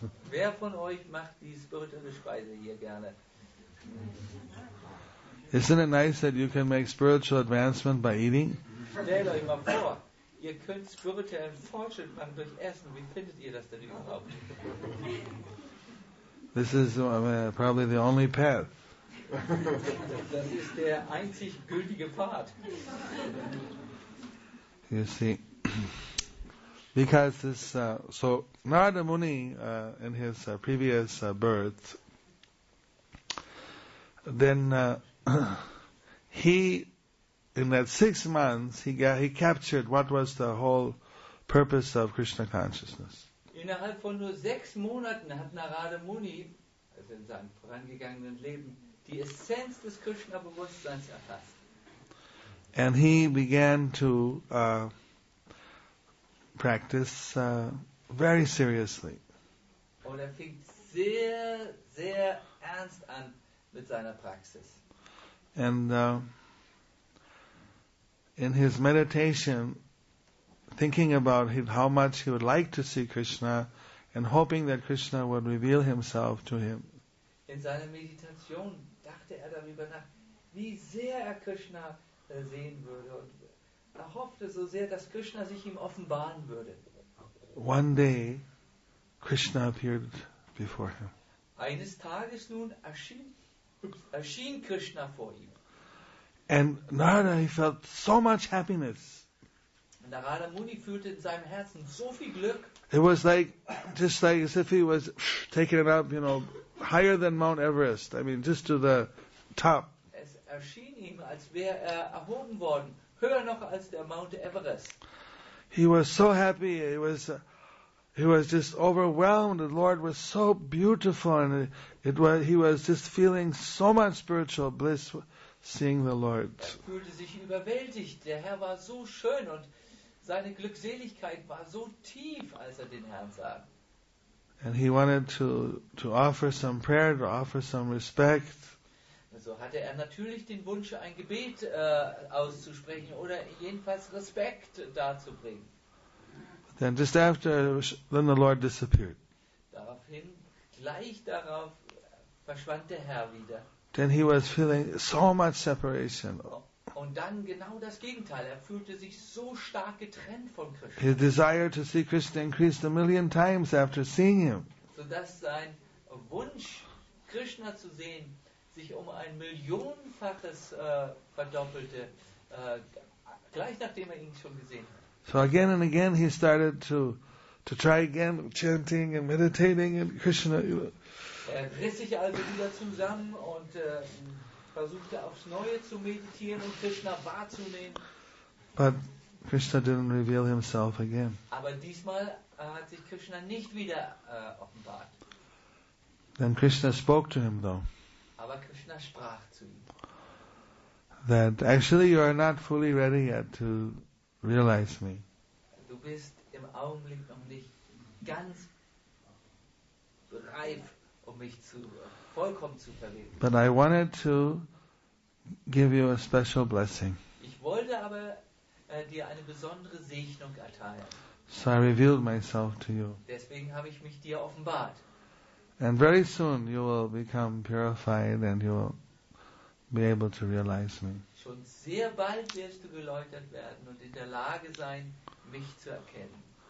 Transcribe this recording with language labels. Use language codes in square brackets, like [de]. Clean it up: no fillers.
[de] Wer von euch macht diese spirituelle Speise hier gerne? [en] Isn't it nice that you can make spiritual advancement by eating? [de] Stellt euch mal vor, ihr könnt spirituellen Fortschritt machen durch Essen. Wie findet ihr das denn überhaupt? [en] This is probably the only path. [de] Das ist der einzig gültige Pfad. [en] You see, because this, so Narada Muni in his previous birth, then he, in that 6 months, he captured what was the whole purpose of Krishna consciousness. [de] Innerhalb von nur 6 Monaten hat Narada Muni, also in seinem vorangegangenen Leben, die Essenz des Krishna-Bewusstseins erfasst. [en] And he began to practice very seriously. [de] Und er fing sehr, sehr ernst an mit seiner Praxis. [en] And in his meditation, thinking about how much he would like to see Krishna and hoping that Krishna would reveal himself to him. [de] In seiner Meditation dachte er darüber nach, wie sehr er Krishna sehen würde, und er hoffte so sehr, dass Krishna sich ihm offenbaren würde. [en] One day, Krishna appeared before him. [de] Eines Tages nun erschien Krishna vor ihm. [en] And Narada, he felt so much happiness. [de] Narada Muni fühlte in seinem Herzen so viel Glück. [en] It was like, just like as if he was taking it up, you know, higher than Mount Everest. I mean, just to the top. [de] Erschien ihm, als wäre er erhoben worden, höher noch als der Mount Everest. [en] He was so happy. He was just overwhelmed. The Lord was so beautiful, and he was just feeling so much spiritual bliss, seeing the Lord. [de] Er fühlte sich überwältigt. Der Herr war so schön, und seine Glückseligkeit war so tief, als er den Herrn sah. [en] And he wanted to offer some prayer, to offer some respect. [de] So hatte er natürlich den Wunsch, ein Gebet auszusprechen oder jedenfalls Respekt darzubringen. [en] Then the Lord disappeared. [de] Daraufhin, gleich darauf, verschwand der Herr wieder. [en] Then he was feeling so much separation. [de] Und dann genau das Gegenteil. Er fühlte sich so stark getrennt von Krishna. [en] His desire to see Krishna increased a million times after seeing him. [de] So dass sein Wunsch, Krishna zu sehen, sich um ein Millionenfaches verdoppelte, gleich nachdem er ihn schon gesehen hat. [en] So again and again he started to try again, chanting and meditating and Krishna. [de] Er riss sich also wieder zusammen und versuchte aufs Neue zu meditieren und Krishna wahrzunehmen. [en] But Krishna didn't reveal himself again. [de] Aber diesmal hat sich Krishna nicht wieder offenbart. [en] Then Krishna spoke to him though. [de] Aber Krishna sprach zu ihm. [en] That actually you are not fully ready yet to realize me. [de] Du bist im Augenblick noch nicht ganz reif, um mich vollkommen zu verwirklichen. [en] But I wanted to give you a special blessing. [de] Ich wollte aber dir eine besondere Segnung erteilen. [en] So I revealed myself to you. [de] Deswegen habe ich mich dir offenbart. [en] And very soon you will become purified and you will be able to realize me. [de] Schon sehr bald wirst du geläutert werden und in der Lage sein, mich zu erkennen.